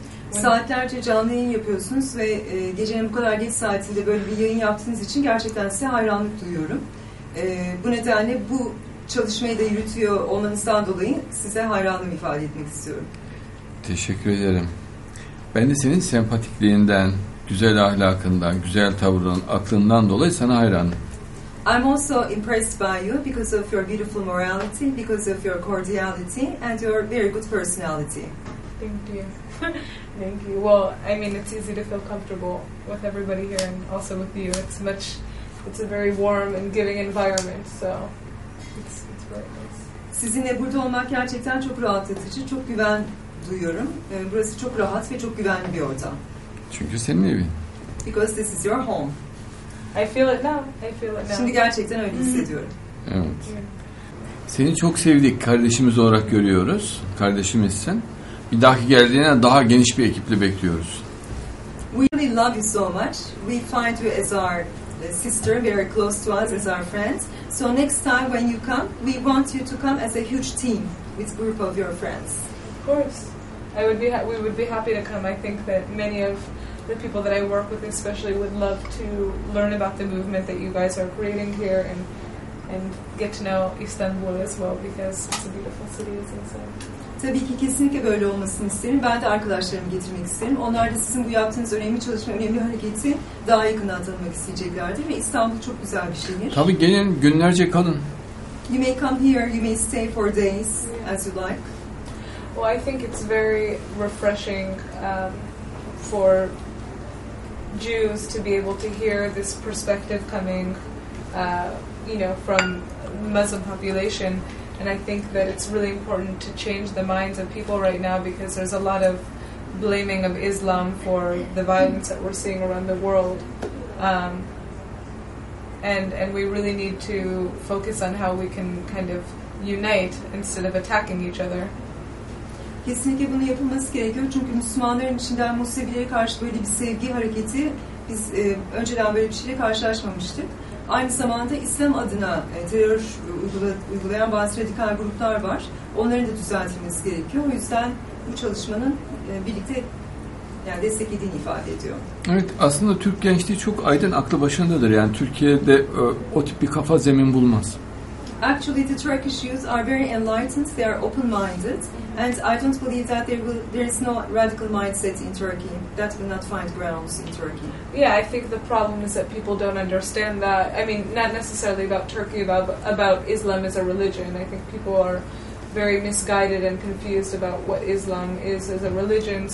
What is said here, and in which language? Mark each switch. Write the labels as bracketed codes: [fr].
[tr] Saatlerce canlı yayın yapıyorsunuz ve gecenin bu kadar geç saatinde böyle bir yayın yaptığınız için gerçekten size hayranlık duyuyorum. Bu nedenle bu çalışmayı da yürütüyor olmanızdan dolayı size hayranlığımı ifade etmek istiyorum. Teşekkür ederim. Ben de senin sempatikliğinden, güzel ahlakından, güzel tavrından, aklından dolayı sana hayranım. [en] I'm also impressed by you because of your beautiful morality, because of your cordiality and your very good personality. Thank you. Well, I mean, it's easy to feel comfortable with everybody here and also with you. It's a very warm and giving environment, so it's very nice. [tr] Sizinle burada olmak gerçekten çok rahatlatıcı. Çok güven duyuyorum. Burası çok rahat ve çok güvenli bir ortam. Çünkü senin evin. [en] Because this is your home. I feel it now. [tr] Şimdi gerçekten öyle hissediyorum. Evet. Seni çok sevdik. Kardeşimiz olarak görüyoruz. Kardeşimizsin. Bir dahaki geldiğine daha geniş bir ekiple bekliyoruz. [en] We really love you so much. We find you as our sister, very close to us, as our friends. So next time when you come, we want you to come as a huge team with a group of your friends. Of course. We would be happy to come. I think that many of the people that I work with especially would love to learn about the movement that you guys are creating here and get to know Istanbul as well, because it's a beautiful city, as I said. [tr] Tabii ki kesinlikle böyle olmasını isterim. Ben de arkadaşlarımı getirmek isterim. Onlar da sizin bu yaptığınız önemli çalışma, önemli hareketi daha yakından tanımak isteyeceklerdir. Ve İstanbul çok güzel bir şehir. Tabii gelin, günlerce kalın. [en] You may come here, you may stay for days, yeah, as you like. Well, I think it's very refreshing for Jews to be able to hear this perspective coming, you know, from Muslim population, and I think that it's really important to change the minds of people right now, because there's a lot of blaming of Islam for the violence that we're seeing around the world. And we really need to focus on how we can kind of unite instead of attacking each other. [tr] Kesinlikle bunu yapılması gerekiyor. Çünkü Müslümanların içinden Museviye'ye karşı böyle bir sevgi hareketi, biz önceden böyle bir şeyle karşılaşmamıştık. Aynı zamanda İslam adına terör uygulayan bazı radikal gruplar var. Onların da düzeltilmesi gerekiyor. O yüzden bu çalışmanın birlikte yani desteklediğini ifade ediyor. Evet, aslında Türk gençliği çok aydın aklı başındadır. Yani Türkiye'de o tip bir kafa zemin bulmaz. [en] Actually, the Turkish youth are very enlightened. They are open-minded, and I don't believe that there is no radical mindset in Turkey. That will not find grounds in Turkey. Yeah, I think the problem is that people don't understand that. I mean, not necessarily about Turkey, about Islam as a religion. I think people are very misguided and confused about what Islam is as a religion.